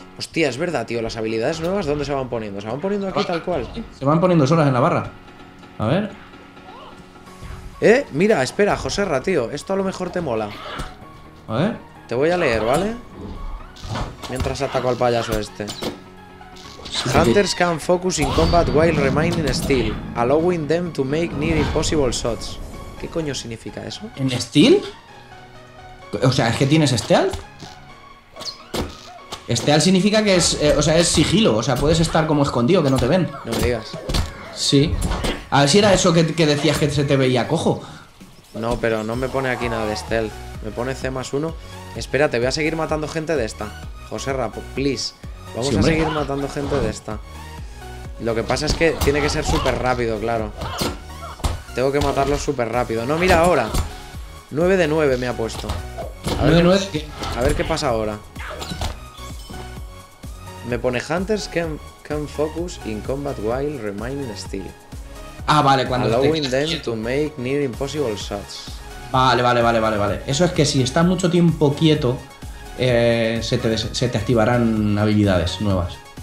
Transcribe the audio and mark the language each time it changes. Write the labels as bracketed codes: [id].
[es] Hostia, es verdad, tío. Las habilidades nuevas, ¿dónde se van poniendo? ¿Se van poniendo aquí tal cual? Se van poniendo solas en la barra. A ver. Mira, espera, Joserra, tío. Esto a lo mejor te mola. A ver. Te voy a leer, ¿vale? Mientras ataco al payaso este. Sí, [en] Hunters can focus in combat while remaining still, allowing them to make near impossible shots. [es] ¿Qué coño significa eso? ¿En still? O sea, ¿es que tienes stealth? Stealth significa que es sigilo, o sea, puedes estar como escondido, que no te ven. No me digas. Sí. A ver si era eso que decías que se te veía cojo. No, pero no me pone aquí nada de stealth. Me pone C+1. Espérate, voy a seguir matando gente de esta. José Rapo, please. Vamos sí, a seguir matando gente de esta. Lo que pasa es que tiene que ser súper rápido, claro. Tengo que matarlo súper rápido. No, mira ahora. 9 de 9 me ha puesto. A ver, 9 de 9. A ver qué pasa ahora. Me pone [en] Hunters can focus in combat while remaining still. [es] Ah, vale, cuando [en] allowing them [es] quieto. [en] To make near impossible shots. [es] Vale. Eso es que si estás mucho tiempo quieto, se te activarán habilidades nuevas.